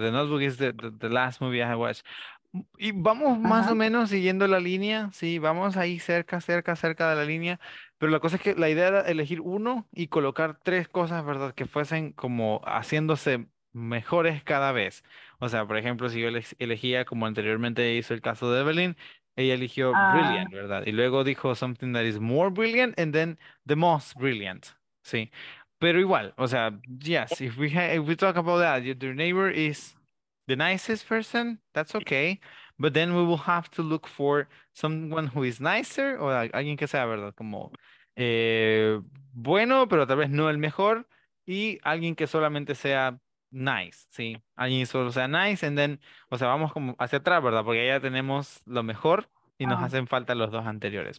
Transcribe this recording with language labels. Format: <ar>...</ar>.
<en>The Notebook is the last movie I watched.</en> <es>Y vamos más ajá. O menos siguiendo la línea, sí, vamos ahí cerca de la línea. Pero la cosa es que la idea era elegir uno y colocar tres cosas, ¿verdad? Que fuesen como haciéndose mejores cada vez. O sea, por ejemplo, si yo elegía, como anteriormente hizo el caso de Evelyn, ella eligió brilliant, ¿verdad? Y luego dijo</es> <en>something that is more brilliant and then the most brilliant,</en> <es>¿sí? Pero igual, o sea,</es> <en>yes, if we talk about that, your neighbor is the nicest person, that's okay. But then we will have to look for someone who is nicer,</en> <es>o alguien que sea,</es> <en>¿verdad?</en> <es>Como bueno, pero tal vez no el mejor, y alguien que solamente sea nice, ¿sí? Alguien solo sea nice,</es> <en>and then,</en> <es>o sea, vamos como hacia atrás, ¿verdad? Porque ya tenemos lo mejor y nos hacen falta los dos anteriores.</es>